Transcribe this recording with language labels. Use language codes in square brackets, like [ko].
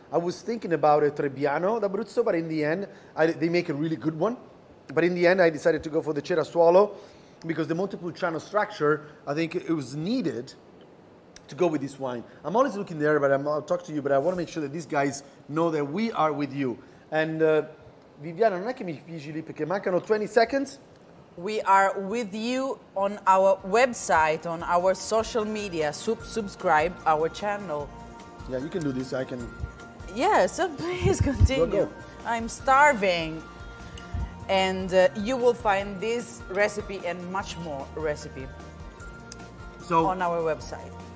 [en] I was thinking about a Trebbiano d'Abruzzo, but in the end, they make a really good one. But in the end, I decided to go for the Cerasuolo because the multiple channel structure, I think it was needed to go with this wine. I'm always looking there, but I'll talk to you, but I want to make sure that these guys know that we are with you. [it] And Viviana, non è che mi piace lì perché mancano [en] 20 seconds. We are with you on our website, on our social media. Subscribe our channel. Yeah, you can do this. I can. Yeah, so please continue. Go. I'm starving. and you will find this recipe and much more recipe so on our website.